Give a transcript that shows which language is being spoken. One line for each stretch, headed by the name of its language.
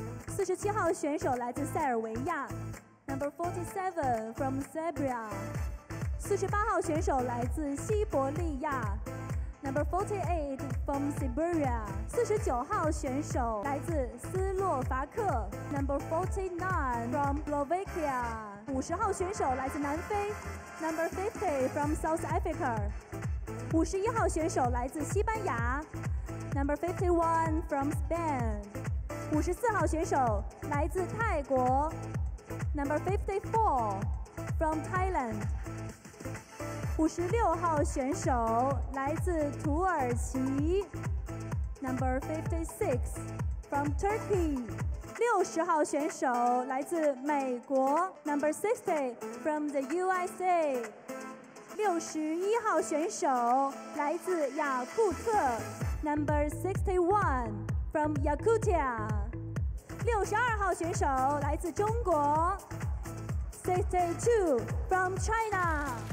Chinese: 四十七号选手来自塞尔维亚 ，
English: Number 47 from Serbia。
Chinese: 四十八号选手来自西伯利亚 ，
English: Number 48 from Siberia。
Chinese: 四十九号选手来自斯洛伐克 ，
English: Number 49 from Slovakia。
Chinese: 50号选手来自南非 ，
English: Number 50 from South Africa。
Chinese: 51号选手来自西班牙 ，
English: Number 51 from Spain。
Chinese: 54号选手来自泰国 ，
English: Number 54 from Thailand。
Chinese: 56号选手来自土耳其 ，
English: Number 56 from Turkey。
Chinese: 60号选手来自美国 ，
English: Number 60 from the USA。
Chinese: 61号选手来自雅库特 ，
English: Number 61 from Yakutia。
Chinese: 62号选手来自中国 ，
English: 62 from China。